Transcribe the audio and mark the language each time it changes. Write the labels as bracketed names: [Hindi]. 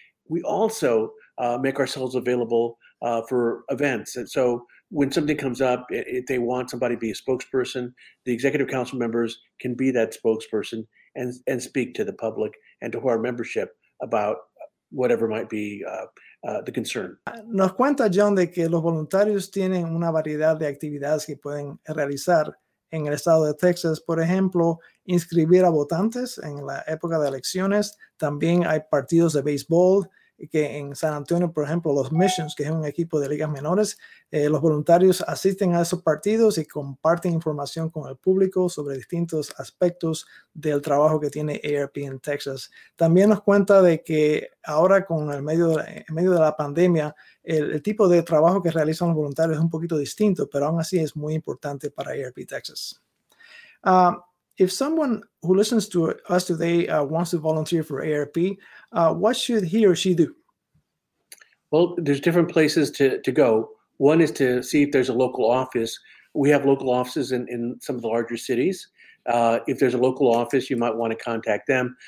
[English] We also make ourselves available for events. And so when something comes up, if they want somebody to be a spokesperson, the Executive Council members can be that spokesperson and speak to the public and to our membership about whatever might be the concern. [Spanish] Nos cuenta John de que los voluntarios tienen una variedad de actividades que pueden realizar en el estado de Texas. Por ejemplo, inscribir a votantes en la época de elecciones. También hay partidos de béisbol que en San Antonio, por ejemplo, los Missions, que es un equipo de ligas menores, los voluntarios asisten a esos partidos y comparten información con el público sobre distintos aspectos del trabajo que tiene AARP en Texas. También nos cuenta de que ahora con en medio de la pandemia, el tipo de trabajo que realizan los voluntarios es un poquito distinto, pero aún así es muy importante para AARP Texas. [English] If someone who listens to us today wants to volunteer for AARP, what should he or she do? Well, there's different places to go. One is to see if there's a local office. We have local offices in some of the larger cities. If there's a local office, you might want to contact them.